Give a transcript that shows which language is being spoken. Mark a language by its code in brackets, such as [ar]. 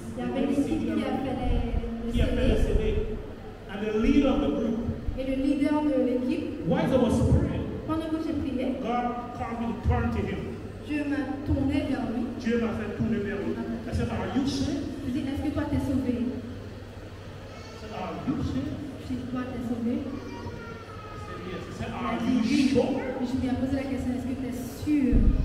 [fr] Il y avait une équipe qui a fait le CD. [en] And the leader of the group. [fr] Et le leader de l'équipe. [en] While I was praying. [fr] Pendant que j'ai prié. [en] God called me to turn to him. [fr] Dieu m'a tourné vers lui. Dieu m'a fait tourner vers lui. [en] I said, are you saved? [fr] Je dis, est-ce que toi t'es sauvé? [en] I said, are you saved? [fr] Je dis, toi t'es sauvé? [en] I said, yes. I said, are you sure? [fr] Je lui ai posé la question, est-ce que t'es sûr?